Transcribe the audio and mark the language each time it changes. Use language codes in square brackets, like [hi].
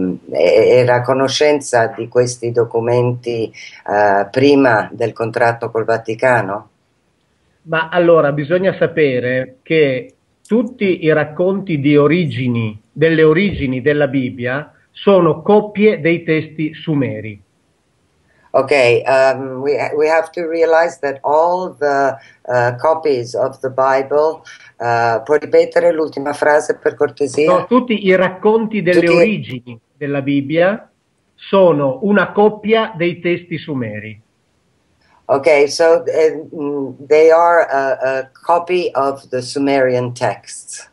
[it] Era a conoscenza di questi documenti prima del contratto col Vaticano? Ma allora, bisogna sapere che tutti i racconti delle origini della Bibbia sono copie dei testi sumeri. [en] Okay, we have to realize that all the copies of the Bible. [it] Puoi ripetere l'ultima frase per cortesia? No, tutti i racconti delle origini della Bibbia sono una copia dei testi sumeri. [en] Okay, so they are a copy of the Sumerian texts.